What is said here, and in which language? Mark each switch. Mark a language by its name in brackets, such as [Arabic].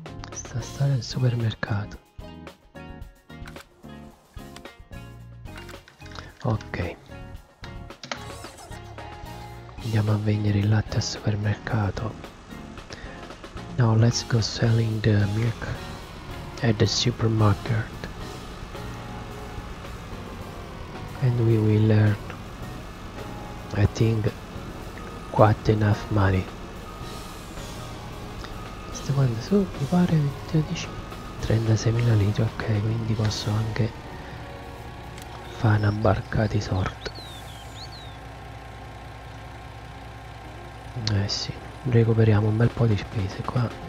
[Italian] Sta a stare al supermercato. Ok, andiamo a vendere il latte al supermercato. [English] Now let's go selling the milk at the supermarket and we will earn, I think, quite enough money. [Italian] Sto guardando su, mi pare 36.000 litri, ok, quindi posso anche fa una barca di sorte. Eh sì, recuperiamo un bel po' di spese qua.